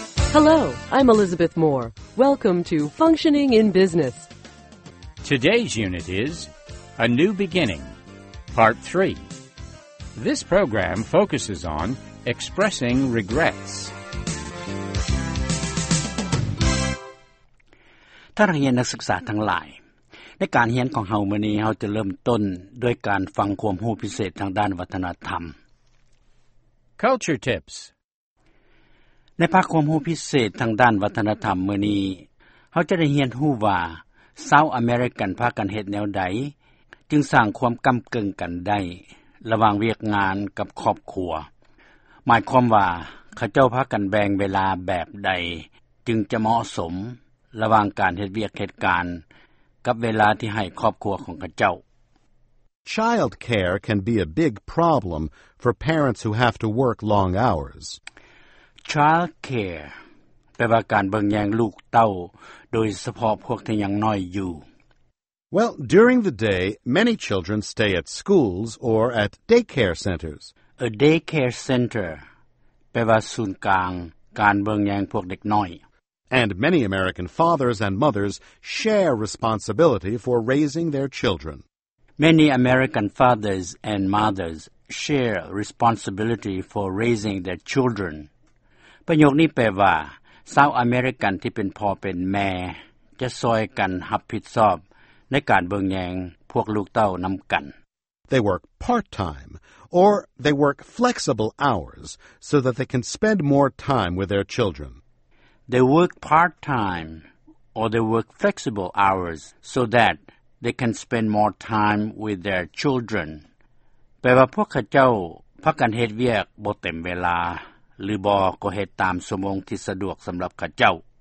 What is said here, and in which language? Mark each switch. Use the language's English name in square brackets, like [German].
[English] Hello, I'm Elizabeth Moore. Welcome to Functioning in Business. Today's unit is A New Beginning, Part 3. This program focuses on expressing regrets. [Northeastern Thai] ท่านเรียนนักศึกษาทั้งหลายในการเรียนของเฮามื้อนี้เฮาจะเริ่มต้นด้วยการฟังความรู้พิเศษทางด้านวัฒนธรรม [English] Culture Tips [Northeastern Thai] ในภาคความรู้พิเศษทางด้านวัฒนธรรมมื้อนี้เฮาจะได้เรียนรู้ว่าชาวอเมริกันพากันเฮ็ดแนวใดจึงสร้างความกำกึ่งกันได้ระหว่างเวียกงานกับครอบครัวหมายความว่าเขาเจ้าพากันแบ่งเวลาแบบใดจึงจะเหมาะสมระหว่างการเฮ็ดเวียกเหตุการณ์กับเวลาที่ให้ครอบครัวของเขาเจ้า [English] Child care can be a big problem for parents who have to work long hours. [Northeastern Thai] Child care แปลว่าการเบิ่งแยงลูกเต้าโดยเฉพาะพวกที่ยังน้อยอยู่ [English] Well, during the day, many children stay at schools or at daycare centers. [Northeastern Thai] A daycare center แปลว่าศูนย์กลางการเบิ่งแยงพวกเด็กน้อย [English] And many American fathers and mothers share responsibility for raising their children. Many American fathers and mothers share responsibility for raising their children. [Northeastern Thai] ประโยคนี้แปลว่าชาวอเมริกันที่เป็นพ่อเป็นแม่จะช่วยกันรับผิดชอบในการเบิ่งแยงพวกลูกเต้านํากัน [English] They work part-time or they work flexible hours so that they can spend more time with their children. They work part-time or they work flexible hours so that they can spend more time with their children. [Northeastern Thai] แปลว่าพวกเขาเจ้าพักกันเฮ็ดเวียกบ่เต็มเวลาหรือบ่ก็เฮ็ดตามชั่วโมงที่สะดวกสําหรับเขาเจ้า